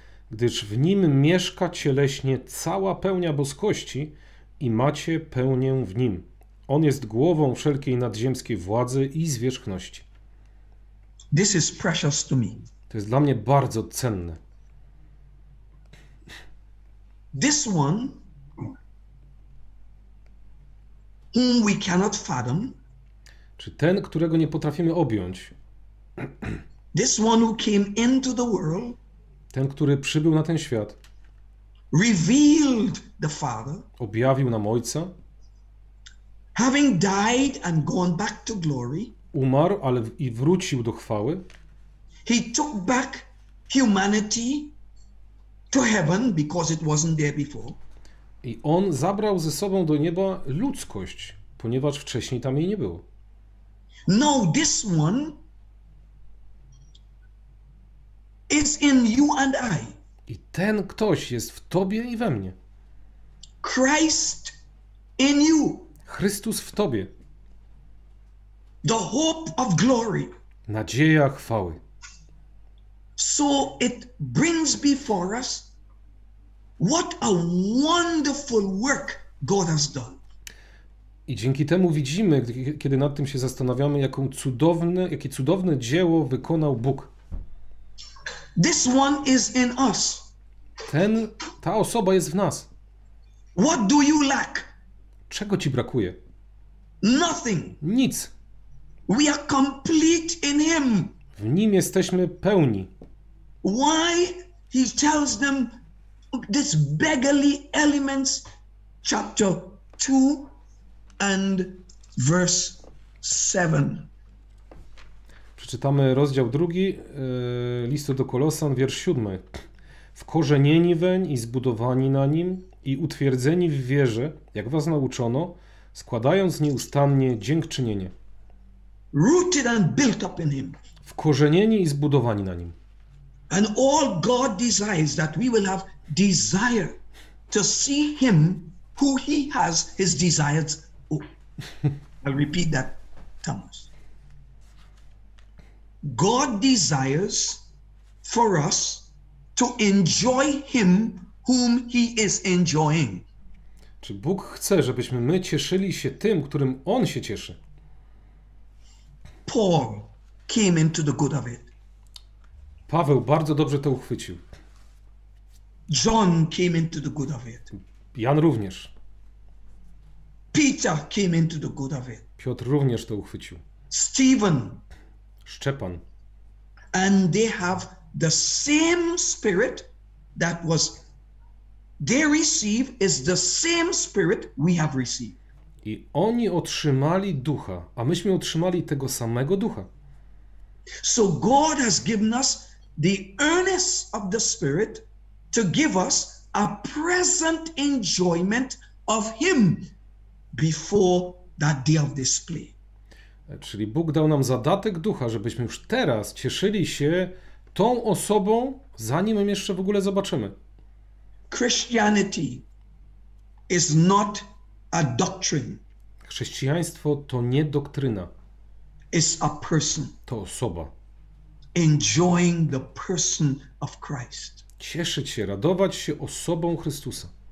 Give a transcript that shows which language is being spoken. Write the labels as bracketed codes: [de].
[pl] Gdyż w nim mieszka cieleśnie cała pełnia boskości i macie pełnię w nim. On jest głową wszelkiej nadziemskiej władzy i zwierzchności. [en] This is precious to me. [pl] To jest dla mnie bardzo cenne. [en] This one, whom we cannot fathom. [pl] Czy ten, którego nie potrafimy objąć? [en] This one who came into the world. [pl] Ten, który przybył na ten świat. [en] Revealed the Father. [pl] Objawił nam Ojca. [en] Having died and gone back to glory. [pl] Umarł, ale i wrócił do chwały. [en] He took back humanity to heaven because it wasn't there before. [pl] I on zabrał ze sobą do nieba ludzkość, ponieważ wcześniej tam jej nie było. [en] No, this one is in you and I. [pl] I ten ktoś jest w tobie i we mnie. [en] Christ in you. [pl] Chrystus w tobie. [en] The hope of glory. [pl] Nadzieja chwały. [en] So it brings before us what a wonderful work God has done. [pl] I dzięki temu widzimy, kiedy nad tym się zastanawiamy, jakie cudowne dzieło wykonał Bóg. [en] This one is in us. [pl] Ta osoba jest w nas. [en] What do you lack? [pl] Czego ci brakuje? [en] Nothing. [pl] Nic. [en] We are complete in him. [pl] W nim jesteśmy pełni. [en] Why he tells them this beggarly elements, chapter 2 and verse 7. [pl] Przeczytamy rozdział 2 listu do Kolosan, wiersz 7. Wkorzenieni weń i zbudowani na nim i utwierdzeni w wierze, jak was nauczono, składając nieustannie dziękczynienie. [en] Rooted and built up in him. [pl] Wkorzenieni i zbudowani na nim. [en] And all God desires that we will have desire to see him who he has his desires. Oh, I'll repeat that, Thomas. God desires for us to enjoy him whom he is enjoying. [pl] Czy Bóg chce, żebyśmy my cieszyli się tym, którym on się cieszy? [en] Paul came into the good of it. [pl] Paweł bardzo dobrze to uchwycił. [en] John came into the good of it. [pl] Jan również. [en] Peter came into the good of it. [pl] Piotr również to uchwycił. [en] Stephen. [pl] Szczepan. [en] And they have the same spirit that was they receive is the same spirit we have received. [pl] I oni otrzymali ducha, a myśmy otrzymali tego samego ducha. [en] So God has given us the earnest of the spirit to give us a present enjoyment of him before that day of display. [pl] Czyli Bóg dał nam zadatek ducha, żebyśmy już teraz cieszyli się tą osobą, zanim ją jeszcze w ogóle zobaczymy. [en] Christianity is not a doctrine. [pl] Chrześcijaństwo to nie doktryna. [en] It's a person. [pl] To osoba. [en] Enjoying the person of Christ. [pl] Cieszyć się, radować się osobą Chrystusa.